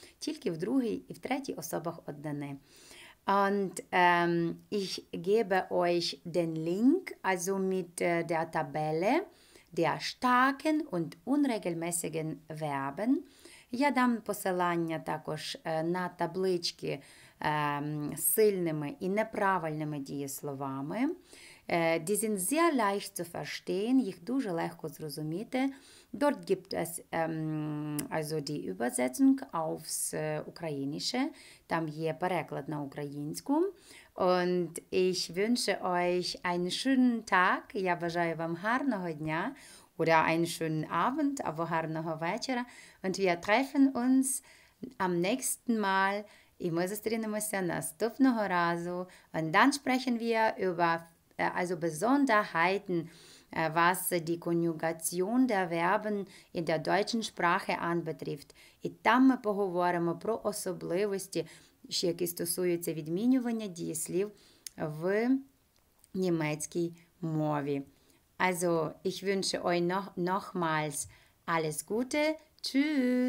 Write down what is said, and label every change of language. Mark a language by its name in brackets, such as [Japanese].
[Ukrainian] Тільки в другій і в третій особах одне. [German] Und ich gebe euch den Link, also mit der Tabelle der starken und unregelmäßigen Verben. [Ukrainian] Я дам посилання також на таблички з сильними і неправильними дієсловами. [German] Die sind sehr leicht zu verstehen, [Ukrainian] їх дуже легко зрозуміти. [German] Dort gibt es also die Übersetzung aufs Ukrainische. [Ukrainian] Там є переклад на українську. [German] Und ich wünsche euch einen schönen Tag. [Ukrainian] Я бажаю вам гарного дня. [German] Oder einen schönen Abend, [Ukrainian] або гарного вечора. [German] Und wir treffen uns am nächsten Mal. [Ukrainian] І ми зустрінемося наступного разу. [German] Und dann sprechen wir über also Besonderheiten, was die Konjugation der Verben in der deutschen Sprache anbetrifft. [Ukrainian] І там ми поговоримо про особливості, які стосуються відмінювання дієслів в німецькій мові. [German] Also, ich wünsche euch nochmals alles Gute. Tschüss!